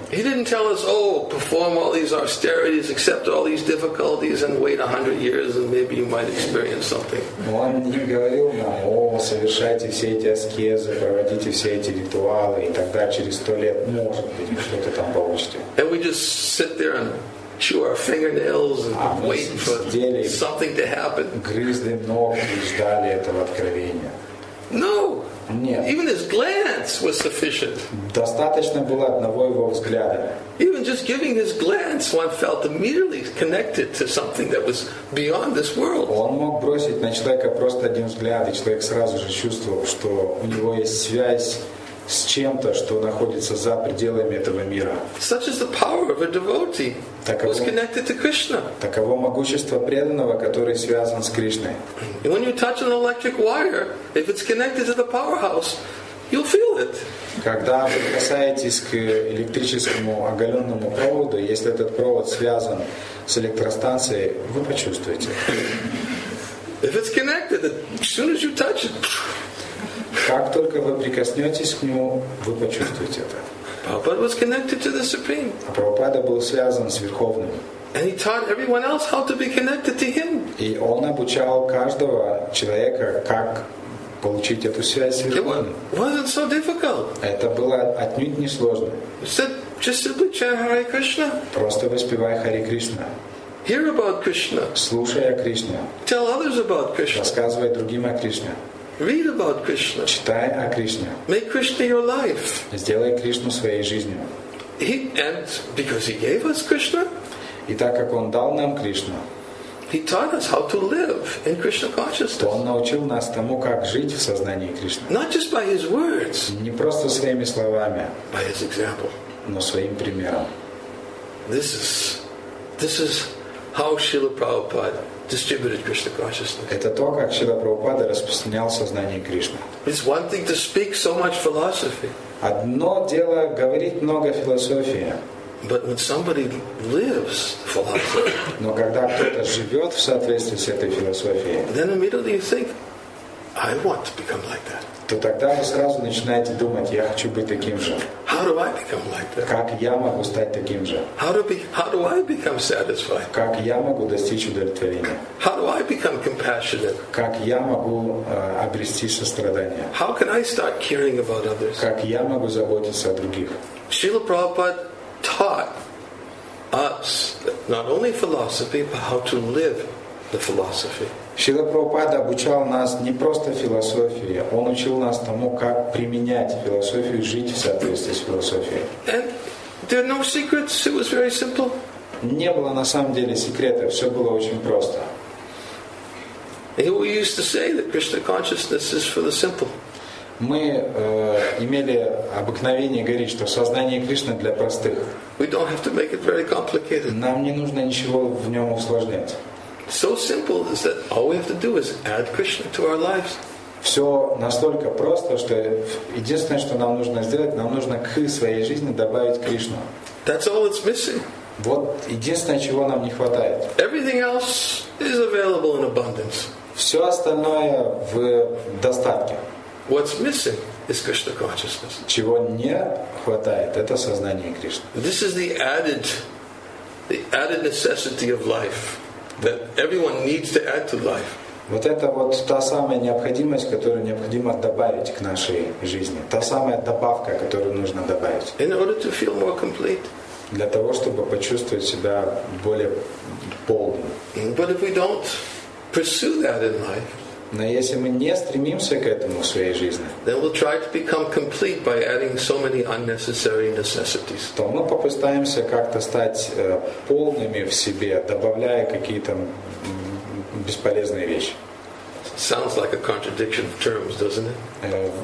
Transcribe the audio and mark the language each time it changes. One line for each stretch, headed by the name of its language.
English: He didn't tell us, oh, perform all these austerities, accept all these difficulties, and wait 100 years, and maybe you might experience something.
Russian: Он не говорил нам, о, совершайте все эти аскезы, проводите все эти ритуалы, и тогда через 100 лет, может быть, вы что-то там получите.
English: And we just sit there and chew our fingernails and wait for something to happen.
Russian: Грызли ногти и ждали этого откровения.
English: No.
Russian: Нет.
English: Even his glance was sufficient.
Russian: Достаточно было одного его взгляда.
English: Even just giving his glance, one felt immediately connected to something that was beyond this world.
Russian: Он мог бросить на человека просто один взгляд, и человек сразу же чувствовал, что у него есть связь с чем-то, что находится за пределами этого мира.
English: Such is the power of a devotee.
Russian: Таково,
English: was connected to Krishna.
Russian: Таково могущество преданного, который связан с Кришной.
English: When you touch an electric wire, if it's connected to the powerhouse, you'll feel it.
Russian: Когда вы касаетесь к электрическому оголенному проводу, если этот провод связан с электростанцией, вы почувствуете.
English: If it's connected, as soon as you touch it.
Russian: Как только вы прикоснетесь к нему, вы почувствуете это.
English: Prabhupada was connected to the Supreme.
Russian: А Прабхупада был связан с Верховным.
English: And he taught everyone else how to be connected to him.
Russian: И он обучал каждого человека, как получить эту связь с Верховным.
English: It wasn't so difficult.
Russian: Это было отнюдь не сложно.
English: Just simply chant Hare Krishna.
Russian: Просто воспевай Харе Кришна.
English: Hear about Krishna.
Russian: Слушай о Кришне.
English: Tell others about Krishna.
Russian: Рассказывай другим о Кришне.
English: Read about Krishna.
Russian: Читай о Кришне.
English: Make Krishna your life.
Russian: Сделай Кришну своей жизнью.
English: He, and because he gave us Krishna.
Russian: И так как он дал нам Кришну.
English: He taught us how to live in Krishna consciousness.
Russian: То он научил нас тому, как жить в сознании Кришны.
English: Not just by his words.
Russian: Не просто своими словами.
English: By his example.
Russian: Но своим примером.
English: This is how Srila Prabhupada distributed Krishna consciousness.
Russian: Это то, как Шрила Прабхупада распространял сознание Кришны.
English: It's one thing to speak so much philosophy.
Russian: Одно дело говорить много философии.
English: But when somebody lives philosophy.
Russian: Но когда кто-то живет в соответствии с этой философией.
English: Then immediately you think, I want to become like that.
Russian: То тогда вы сразу начинаете думать, я хочу быть таким же.
English: How do I become like that?
Russian: Как я могу стать таким же?
English: How do I become satisfied?
Russian: Как я могу достичь удовлетворения?
English: How do I become compassionate?
Russian: Как я могу обрести сострадание?
English: How can I start caring about others?
Russian: Как я могу заботиться о других?
English: Srila Prabhupada taught us not only philosophy, but how to live the philosophy.
Russian: Шрила Прабхупада обучал нас не просто философии, он учил нас тому, как применять философию, жить в соответствии с философией.
English: And there are no secrets. It was very simple.
Russian: Не было на самом деле секрета, все было очень просто.
English: We used to say that Krishna consciousness is for the simple.
Russian: Мы имели обыкновение говорить, что сознание Кришны для простых.
English: We don't have to make it very complicated.
Russian: Нам не нужно ничего в нем усложнять.
English: So simple is that all we have to do is add Krishna to our lives.
Russian: Все настолько просто, что единственное, что нам нужно сделать, нам нужно к своей жизни добавить Кришну.
English: That's all that's missing.
Russian: Вот единственное, чего нам не хватает.
English: Everything else is available in abundance.
Russian: Все остальное в достатке.
English: What's missing is Krishna consciousness.
Russian: Чего не хватает, это сознание Кришны.
English: This is the added necessity of life. That everyone needs to add to life.
Russian: Вот это вот та самая необходимость, которую необходимо добавить к нашей жизни. Та самая добавка, которую нужно добавить.
English: In order to feel more complete.
Russian: Для того, чтобы почувствовать себя более полным.
English: But if we don't pursue that in life.
Russian: Но если мы не стремимся к этому в своей жизни,
English: then we'll try to become complete by adding so many unnecessary necessities.
Russian: То мы попытаемся как-то стать полными в себе, добавляя какие-то бесполезные вещи.
English: Sounds like a contradiction of terms, doesn't it?